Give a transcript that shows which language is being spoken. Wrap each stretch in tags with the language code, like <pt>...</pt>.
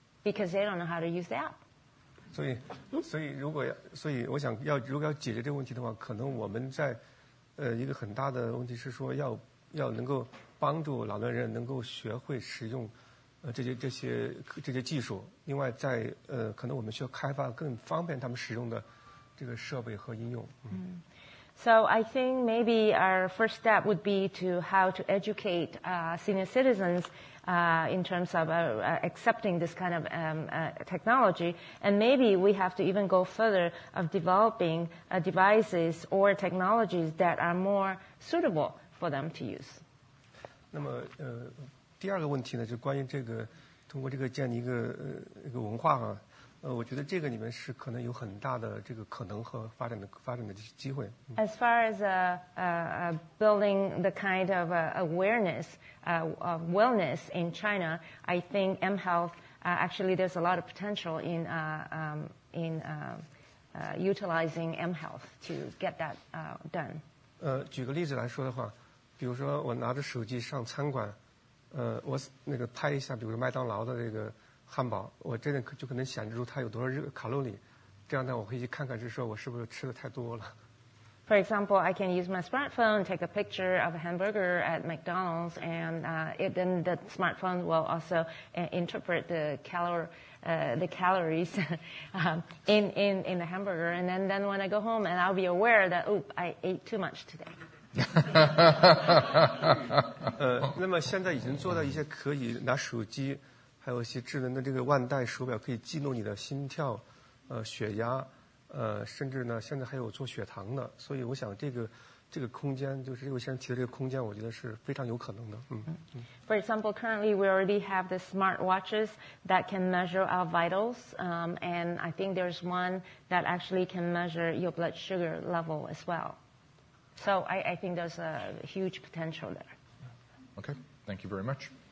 <en>Because they don't know how to use the app.</en> <zh>所以我想要解决这个问题的话，可能我们在一个很大的问题是说要能够帮助老年人能够学会使用这些技术。另外在可能我们需要开发更方便他们使用的这个设备和应用。</zh> <en>So I think maybe our first step would be to how to educate senior citizens in terms of accepting this kind of technology. And maybe we have to even go further of developing devices or technologies that are more suitable for them to use.</en> <zh>那么第二个问题呢，就关于这个通过这个建立一个文化啊，我觉得这个里面是可能有很大的这个可能和发展的机会。</zh> <en>As far as building the kind of awareness of wellness in China, I think M Health actually there's a lot of potential in utilizing M Health to get that done.</en> <zh>举个例子来说的话，比如说我拿着手机上餐馆，我那个拍一下，比如说麦当劳的这个汉堡，我真的就可能显示出它有多少热卡路里，这样呢，我可以去看看，是说我是不是吃的太多了。</zh> <en>For example, I can use my smartphone, take a picture of a hamburger at McDonald's, and then the smartphone will also interpret the calories in the hamburger, and then when I go home, and I'll be aware that oop, I ate too much today.</en> <zh>那么现在已经做到一些可以拿手机。还有一些智能的这个腕带手表可以记录你的心跳血压甚至呢现在还有做血糖的，所以我想这个空间，就是我先提的这个空间，我觉得是非常有可能的。</zh> <en>For example, currently we already have the smart watches that can measure our vitals, and I think there's one that actually can measure your blood sugar level as well. So I think there's a huge potential there. Okay, thank you very much.</en>